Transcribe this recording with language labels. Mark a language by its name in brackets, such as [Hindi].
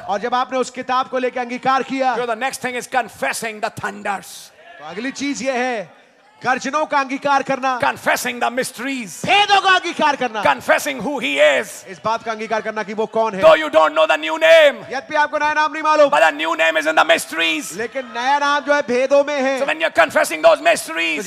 [Hindi] और जब आपने उस किताब को लेकर अंगीकार किया. [English] So the next thing is confessing the thunders. [Hindi] तो अगली चीज ये है गर्जनों का अंगीकार करना, [English] confessing the mysteries, [Hindi] भेदों का अंगीकार करना, [English] confessing who he is, [Hindi] इस बात का अंगीकार करना कि वो कौन है। [English] though you don't know the new name, [Hindi] यद्यपि आपको नया नाम नहीं मालूम, [English] but the new name is in the mysteries, [Hindi] लेकिन नया नाम जो है भेदों में है। [English] so when you are confessing those mysteries,